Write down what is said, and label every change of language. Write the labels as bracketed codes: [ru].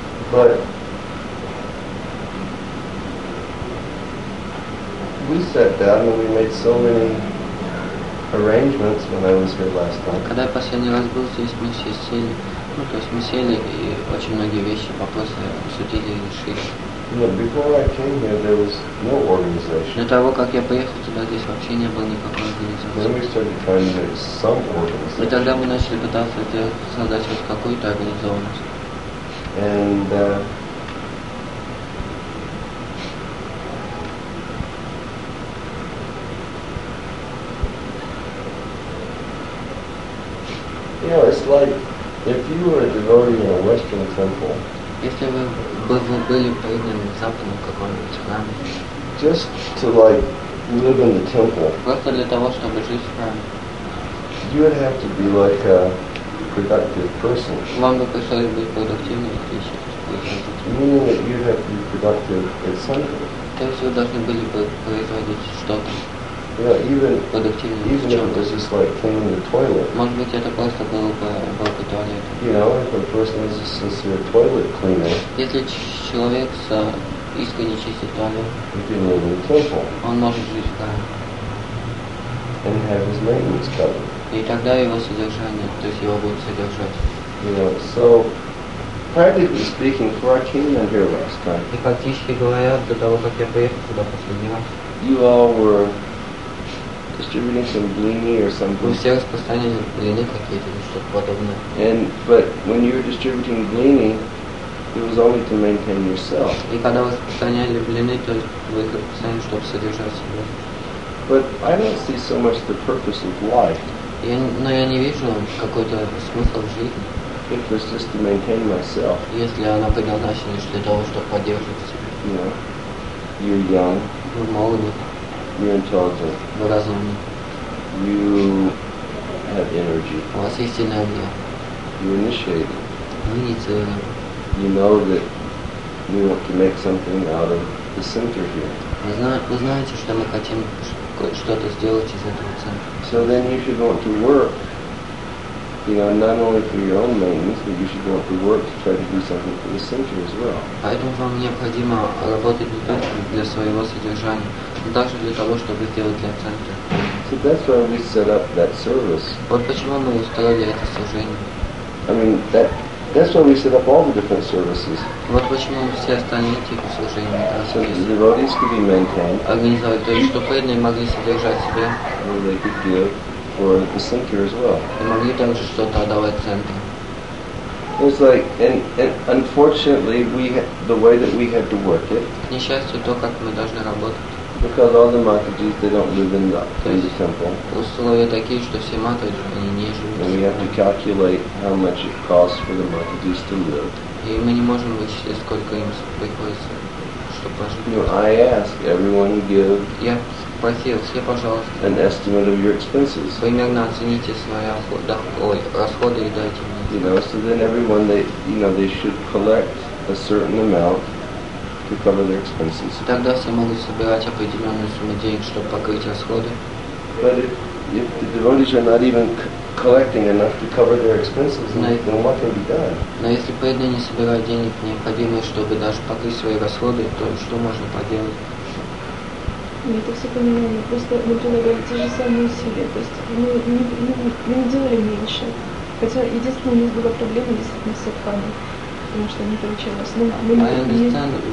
[en] But we sat down and we made so many arrangements when I was here last time. [ru] Когда я последний раз был здесь, мы все сели, ну то есть мы сели и очень многие вещи вопросы обсудили и решили. [en] No, before I came here, there was no organization. [ru] До того как я поехал туда, здесь вообще не было никакой организации. [en] Then we started trying to make some organization. [ru] И тогда мы начали пытаться создать хоть какую-то организованность. [en] And you know, it's like if you were a devotee in a Western temple. If you were building something in [ru] какой-нибудь храм. [en] Just to like live in the temple. [ru] Просто для того, чтобы жить в храме. [en] You would have to be like a productive person. [ru] Вам бы пришлось быть продуктивным, если [en] meaning that you have to be productive at something. [ru] То есть вы должны были бы производить что-то. [en] Yeah, even if it was just like cleaning the toilet. [ru] Может быть это просто было бы уборка туалета. [en] You know, if a person is a sincere toilet cleaner. [ru] Если человек искренне чистит туалет. [en] He can live in a temple. [ru] Он может жить в храме. [en] And have his maintenance covered. [ru] И тогда его содержание, то есть его будут содержать. [en] You know, so practically speaking, for our kingdom here last time. [ru] И фактически говоря, до того как я поехал туда последний раз. [en] You all were distributing some blini or something. [ru] Вы все распространяли блины какие-то или что-то подобное. [en] And but when you were distributing blini, it was only to maintain yourself. [ru] И когда вы распространяли блины, то вы их распространяли, чтобы содержать себя. [en] But I don't see so much the purpose of life. [ru] Но я не вижу какой-то смысл в жизни. [en] If it's just to maintain myself. [ru] Если она предназначена лишь для того, чтобы поддерживать себя. [en] You know, you're young. [ru] Вы молоды. [en] You're intelligent. [ru] Вы разумны. [en] You have energy. [ru] У вас есть энергия. [en] You initiate. [ru] Вы инициируете. [en] You know that we want to make something out of the center here. [ru] Вы знаете, что мы хотим что-то сделать из этого центра. [en] So then you should want to work. You know, not only for your own maintenance, but you should want to work to try to do something for the center as well. [ru] Поэтому вам необходимо работать не только для своего содержания, но также для того, чтобы сделать для центра. [en] So that's why we set up that service. [ru] Вот почему мы устроили это служение. [en] I mean, that's why we set up all the different services. [ru] Вот почему все остальные типы служения. [en] So the devotees could be maintained. [ru] Организовать, то есть чтобы преданные могли содержать себя. [en] And they could give for the center as well. [ru] И могли также что-то отдавать центру. [en] It's like, and unfortunately, the way that we had to work it. [ru] К несчастью, то, как мы должны работать. [en] Because all the Matajis, they don't live in the temple. [ru] Условия такие, что все Матаджи, они не живут. [en] And we have to calculate how much it costs for the Matajis to live. [ru] И мы не можем вычислить, сколько им приходится, чтобы пожить. [en] You know, I ask everyone to give. [ru] Я спросил все, пожалуйста. [en] An estimate of your expenses. [ru] Примерно оцените свои расходы и дайте мне. [en] You know, so then everyone, they, you know, they should collect a certain amount to cover their expenses. [ru] Тогда все могут собирать определенную сумму денег, чтобы покрыть расходы. [en] But if the devotees are not even collecting enough to cover their expenses, then what can be done? [ru] Но если преданные не собирают денег, необходимые, чтобы даже покрыть свои расходы, то что можно поделать? Мы это все понимаем, мы просто мы прилагали те же самые усилия, то есть мы не делали меньше. Хотя единственное, у нас была проблема действительно с садханой, потому что не получалось.